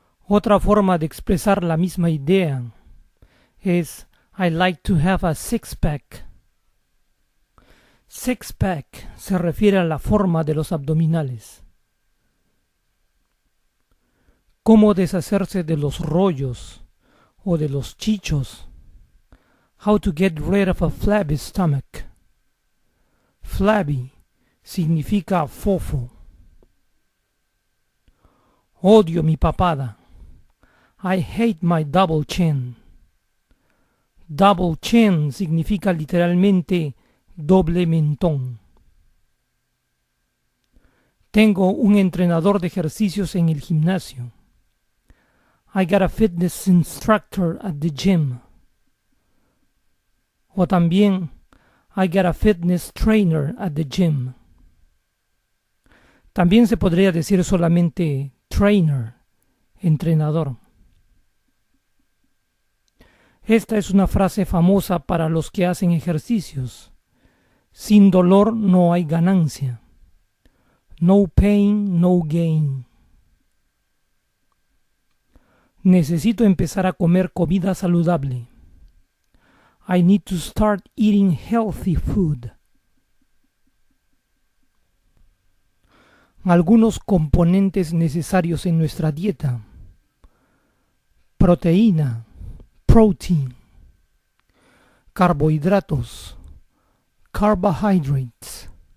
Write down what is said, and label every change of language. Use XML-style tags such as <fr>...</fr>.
<es>Otra forma de expresar la misma idea es</es> <en>I'd like to have a six-pack.</en> <es>Six-pack se refiere a la forma de los abdominales. ¿Cómo deshacerse de los rollos o de los chichos?</es> <en>How to get rid of a flabby stomach.</en> <es>Flabby significa fofo. Odio mi papada.</es> <en>I hate my double chin. Double chin</en> <es>significa literalmente doble mentón. Tengo un entrenador de ejercicios en el gimnasio.</es> <en>I got a fitness instructor at the gym.</en> <es>O también,</es> <en>I got a fitness trainer at the gym.</en> <es>También se podría decir solamente trainer, entrenador. Esta es una frase famosa para los que hacen ejercicios. Sin dolor no hay ganancia.</es> <en>No pain, no gain.</en> <es>Necesito empezar a comer comida saludable.</es> <en>I need to start eating healthy food.</en> <es>Algunos componentes necesarios en nuestra dieta. Proteína. Protein. Carbohidratos.</es> <en>Carbohydrates.</en>